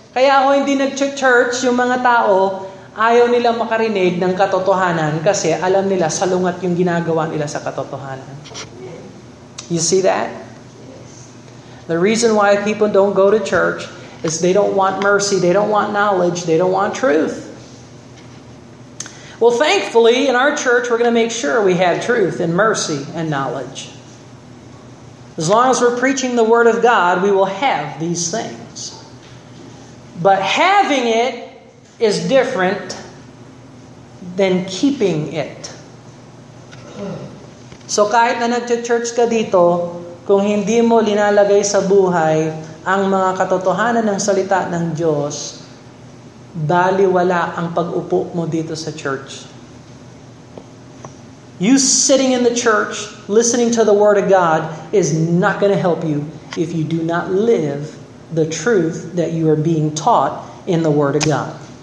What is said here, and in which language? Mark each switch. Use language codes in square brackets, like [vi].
[tl] Kaya ako hindi nag-church yung mga tao, ayaw nila makarinig ng katotohanan kasi alam nila salungat yung ginagawa nila sa katotohanan. [en] You see that? The reason why people don't go to church is they don't want mercy, they don't want knowledge, they don't want truth. Well, thankfully, in our church, we're going to make sure we have truth and mercy and knowledge. As long as we're preaching the Word of God, we will have these things. But having it is different than keeping it. [tl] So kahit na nag-church ka dito, kung hindi mo linalagay sa buhay ang mga katotohanan ng salita ng Diyos, baliwala ang pag-upo mo dito sa church. [en] You sitting in the church, listening to the Word of God, is not going to help you if you do not live the truth that you are being taught in the Word of God.